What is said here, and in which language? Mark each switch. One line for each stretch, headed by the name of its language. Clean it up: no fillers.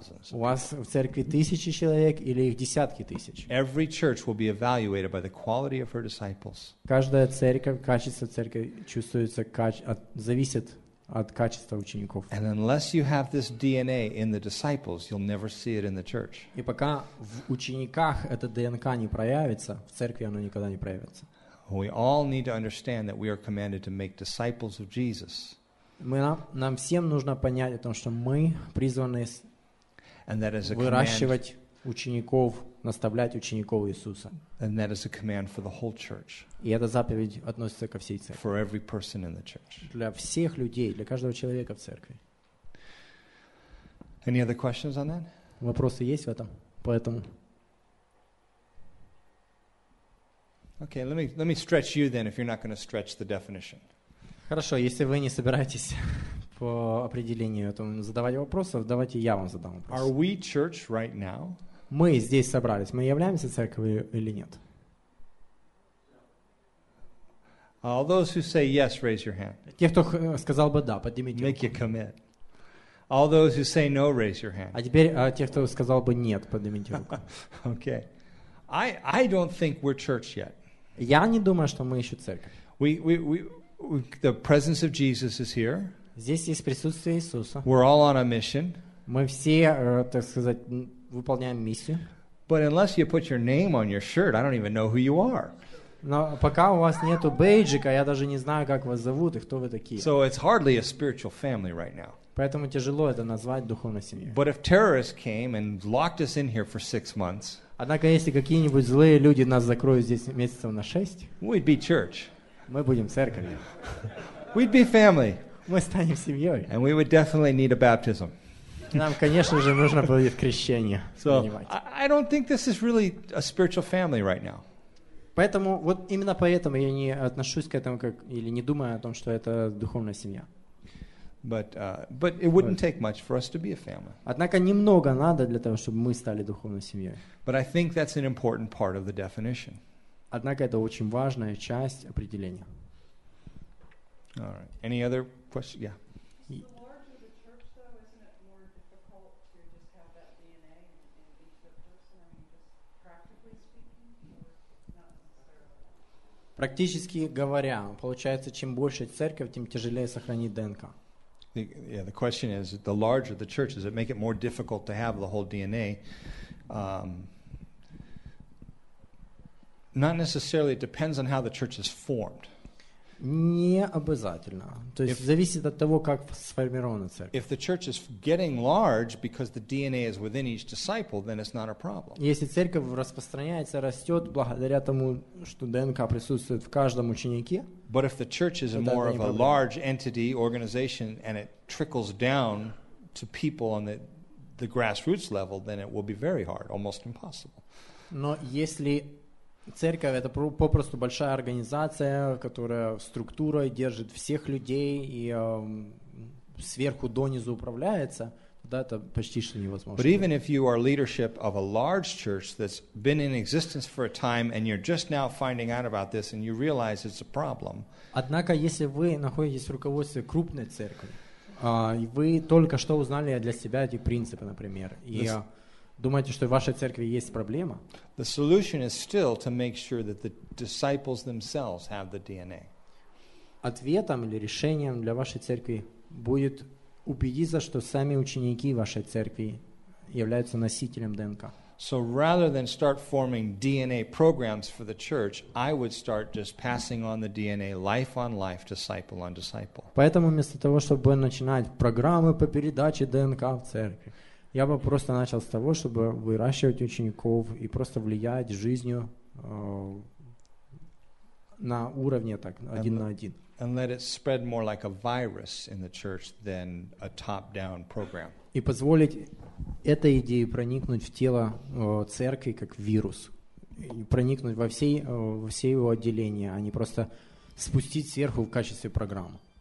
Russian: У вас в церкви тысячи человек или их десятки тысяч.
English: Every church will be evaluated by the quality of her disciples.
Russian: Каждая церковь, качество церкви чувствуется, зависит от качества учеников.
English: And unless you have this DNA in the disciples, you'll never see it in the church.
Russian: И пока в учениках это ДНК не проявится, в церкви оно никогда не проявится.
English: We all need to understand that we are commanded to make disciples of Jesus.
Russian: Нам всем нужно понять о том, что мы призваны выращивать учеников, наставлять учеников Иисуса.
English: And that is a command for the whole church.
Russian: И эта заповедь относится ко всей церкви.
English: For every person in the church.
Russian: Для всех людей, для каждого человека в церкви.
English: Any other questions on that?
Russian: Вопросы есть в этом? Поэтому.
English: Okay, let me stretch you then, if you're not going to stretch the definition.
Russian: Хорошо, если вы не собираетесь по определению этому задавать вопросов, давайте я вам задам вопрос.
English: Are we church right now?
Russian: Мы здесь собрались. Мы являемся церковью или нет?
English: All those who say yes, raise your hand.
Ukrainian: Ті, хто сказав би да, підніміть руку.
English: Make you commit. All those who say no, raise your hand.
Ukrainian: А тепер ті, хто сказав би ні, підніміть руку.
English: Okay. I don't think we're church yet.
Ukrainian: Я не думаю, що ми ще церква.
English: We the presence of Jesus is here.
Russian: Здесь есть присутствие Иисуса.
English: We're all on a mission.
Ukrainian: Ми всі, так сказати, виконуємо місію.
English: But unless you put your name on your shirt, I don't even know who you are.
Russian: Но пока у вас нету бейджика, я даже не знаю, как вас зовут и кто вы такие.
English: So it's hardly a spiritual family right now.
Russian: Поэтому тяжело это назвать духовной семьей.
English: But if terrorists came and locked us in here for 6 months,
Russian: однако если какие-нибудь злые люди нас закроют здесь месяцев на 6,
English: we'd be church.
Russian: Мы будем церковью.
English: We'd be family.
Russian: Мы станем семьей.
English: And we would definitely need a baptism.
Russian: Нам, конечно же, нужно будет крещение.
English: So I don't think this is really a spiritual family right now.
Russian: Поэтому вот именно поэтому я не отношусь к этому как или не думаю о том, что это духовная семья.
English: But it wouldn't take much for us to be a family.
Russian: Однако немного надо для того, чтобы мы стали духовной семьей.
English: But I think that's an important part of the definition.
Russian: Однако это очень важная часть определения.
English: All right. Any other questions? Yeah.
Russian: Практически говоря, получается, чем больше церковь, тем тяжелее сохранить ДНК.
English: The question is, the larger the church, does it make it more difficult to have the whole DNA? Not necessarily, it depends on how the church is formed.
Russian: Не обязательно. То есть зависит от того, как сформирована церковь.
English: If the church is getting large because the DNA is within each disciple, then it's not a problem.
Russian: Если церковь распространяется, растет благодаря тому, что ДНК присутствует в каждом ученике,
English: but if the church is more of a large entity, organization, and it trickles down to people on the grassroots level, then it will be very hard, almost impossible.
Russian: Но если церковь — это попросту большая организация, которая структурой держит всех людей и сверху донизу управляется, тогда это почти что невозможно.
English: But even if you are leadership of a large church that's been in existence for a time and you're just now finding out about this and you realize it's a problem.
Russian: Однако, если вы находитесь в руководстве крупной церкви, и вы только что узнали для себя эти принципы, например, и думаете, что в вашей церкви есть проблема?
English: The solution is still to make sure that the disciples themselves have the DNA.
Russian: Ответом или решением для вашей церкви будет убедиться, что сами ученики вашей церкви являются носителем ДНК.
English: So rather than start forming DNA programs for the church, I would start just passing on the DNA life on life, disciple on disciple.
Russian: Поэтому вместо того, чтобы начинать программы по передаче ДНК в церкви, я бы просто начал с того, чтобы выращивать учеников и просто влиять жизнью на уровне так, один на один.
English: And let it spread more like a virus in the church than a top-down program.
Russian: И позволить этой идее проникнуть в тело церкви как вирус. И проникнуть во все его отделения, а не просто спустить сверху в качестве программы.